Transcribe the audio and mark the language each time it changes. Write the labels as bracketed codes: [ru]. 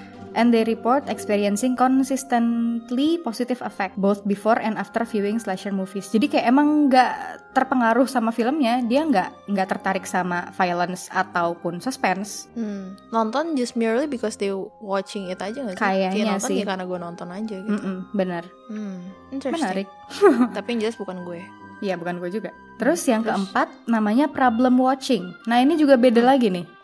[en] And they report experiencing consistently positive effect both before and after viewing slasher movies. [id] Jadi kayak emang gak terpengaruh sama filmnya. Dia gak tertarik sama violence ataupun suspense. Nonton [en] just merely because they watching it [id] aja gak sih? Kayaknya sih. Nonton ya karena gue nonton aja gitu. Bener. [en] Interesting. [id] Menarik. Tapi yang jelas bukan gue. Iya, bukan gue juga. Terus yang keempat namanya problem watching. Nah ini juga beda lagi nih.